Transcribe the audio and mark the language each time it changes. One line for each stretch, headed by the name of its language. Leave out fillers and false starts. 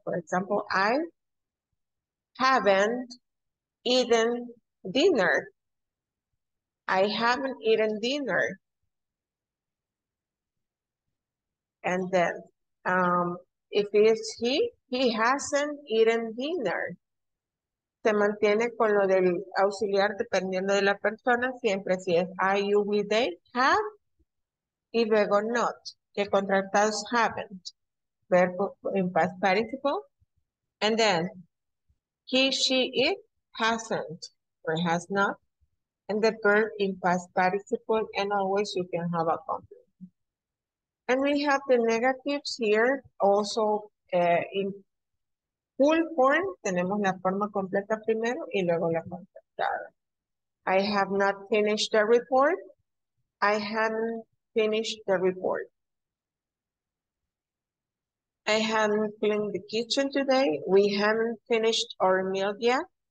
English: For example, I haven't eaten dinner. I haven't eaten dinner. And then if it's he hasn't eaten dinner.
Spanish: Se mantiene con lo del auxiliar dependiendo de la persona. Siempre si es
English: I, you, we, they, have,
Spanish: y luego not, que contratados haven't.
English: Verbo in past participle. And then, he, she, it, hasn't, or has not. And the verb in past participle, and always you can have a complement. And we have the negatives here also in full form.
Spanish: Tenemos la forma completa primero y luego la contractada.
English: I have not finished the report. I haven't finished the report. I haven't cleaned the kitchen today. We haven't finished our meal yet.